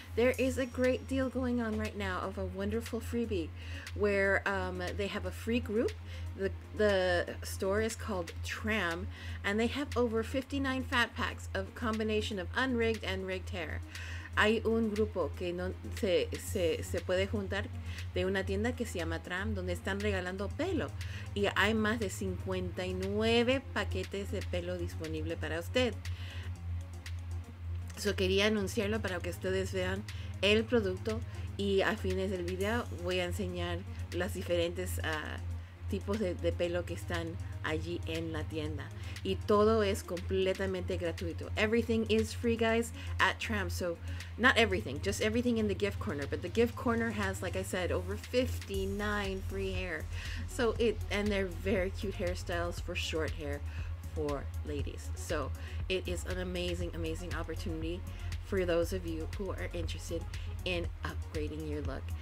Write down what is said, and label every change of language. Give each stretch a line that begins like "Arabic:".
English: There is a great deal going on right now of a wonderful freebie where they have a free group. The store is called Tram, and they have over 59 fat packs of combination of unrigged and rigged hair.
Spanish: Hay un grupo que no se puede juntar de una tienda que se llama Tram, donde están regalando pelo. Y hay más de 59 paquetes de pelo disponible para usted. So quería anunciarlo para que ustedes vean el producto. Y a fines del video voy a enseñar los diferentes tipos de pelo que están allí en la tienda. Y todo es completamente gratuito.
English: Everything is free, guys, at Tram. So, not everything, just everything in the gift corner. But the gift corner has, like I said, over 59 free hair. So, and they're very cute hairstyles for short hair for ladies. So, it is an amazing, amazing opportunity for those of you who are interested in upgrading your look.